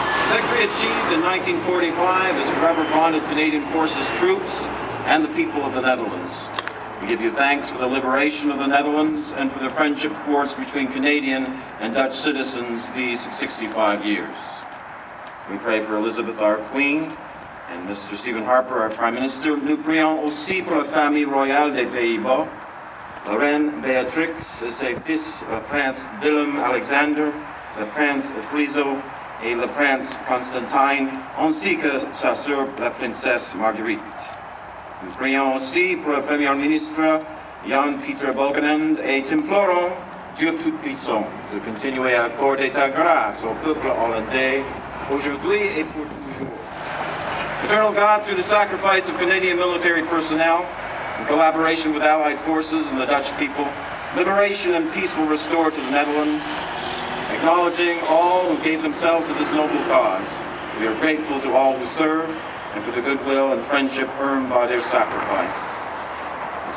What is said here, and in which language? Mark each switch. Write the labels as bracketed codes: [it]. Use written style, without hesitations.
[en] The victory achieved in 1945 has forever bonded Canadian Forces troops and the people of the Netherlands. We give you thanks for the liberation of the Netherlands and for the friendship forged between Canadian and Dutch citizens these 65 years. We pray for Elizabeth, our Queen, and Mr. Stephen Harper, our Prime Minister. [fr] Nous prions aussi pour la famille royale des Pays-Bas, la reine Béatrix, ses fils, le prince Willem-Alexander, le prince Friso et le prince Constantine, ainsi que sa sœur, la princesse Marguerite. Nous prions aussi pour le Premier ministre Jan-Peter Balkenende et t'implorons Dieu tout puissant de continuer à accorder ta grâce au peuple hollandais aujourd'hui et pour toujours. [en] Eternal God, through the sacrifice of Canadian military personnel, in collaboration with Allied forces and the Dutch people, liberation and peace will restore to the Netherlands. Acknowledging all who gave themselves to this noble cause, we are grateful to all who served, and for the goodwill and friendship earned by their sacrifice.